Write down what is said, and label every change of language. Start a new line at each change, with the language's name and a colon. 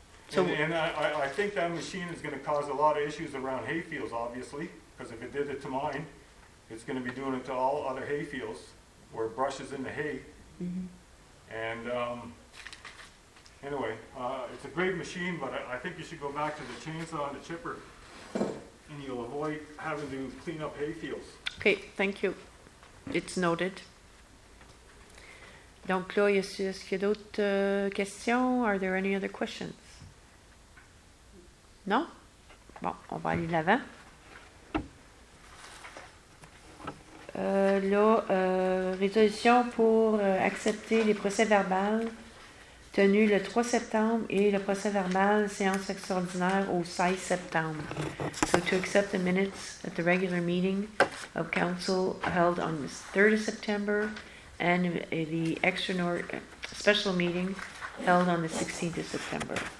English: So I think that machine is going to cause a lot of issues around hayfields, obviously, because if it did it to mine, it's going to be doing it to all other hayfields where brush is in the hay. Mm-hmm. And anyway, it's a great machine, but I think you should go back to the chainsaw and the chipper. And you'll avoid having to clean up hay fields. Okay, thank you. It's noted.
French: Donc là, est-ce qu'il y a d'autres questions?
English: Are there any other questions?
French: Non? Bon, on va aller de l'avant. Résolution pour accepter les procès-verbaux tenus le 3 septembre et le procès verbal séance extraordinaire au 16 septembre.
English: So to accept the minutes at the regular meeting of council held on the 3rd of September and the special meeting held on the 16th of September.